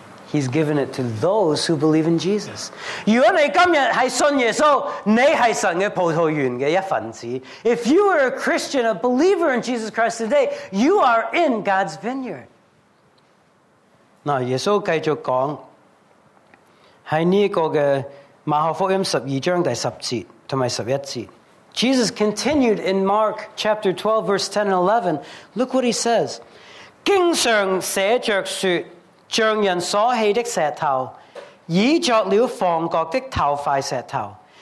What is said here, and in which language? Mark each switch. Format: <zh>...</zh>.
<en>He's given it to those who believe in Jesus.</en> <zh>如果你今天是信耶稣，你是神的葡萄园的一份子。</zh> <en>If you are a Christian, a believer in Jesus Christ today, you are in God's vineyard.</en> <zh>那耶稣继续讲，在这个的马可福音12章第10节和11节。</zh> <en>Jesus continued in Mark chapter 12, verse 10 and 11. Look what he says.</en> <zh>经常写着说，匠人所弃的石头，已作了房角的头块石头。</zh>